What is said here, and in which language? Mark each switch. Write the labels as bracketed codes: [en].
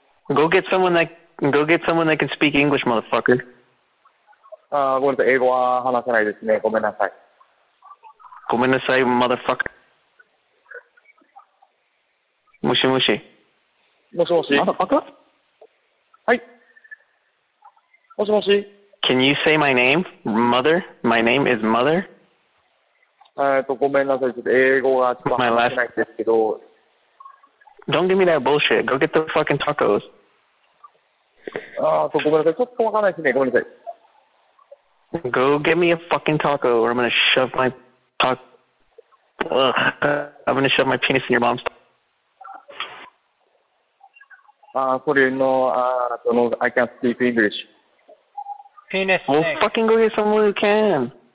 [en] Go get someone that can speak English, motherfucker. [ja] ごめんなさい、英語は話せないですね。ごめんなさい。ごめんなさい、motherfucker。もしもし。もしもし。 [en] motherfucker? [ja] はい。もしもし。 [en] Can you say my name? Mother? My name is mother? [ja] ごめんなさい、ちょっと英語がちょっと話せないですけど。 [en] Don't give me that bullshit. Go get the fucking tacos. [ja] ごめんなさい、ちょっとわからないですね。ごめんなさい。 [en] Go get me a fucking taco or I'm gonna shove my I'm gonna shove my penis in your mom's sorry, no, I can't speak English. Penis snake. Well, fucking go get someone who can.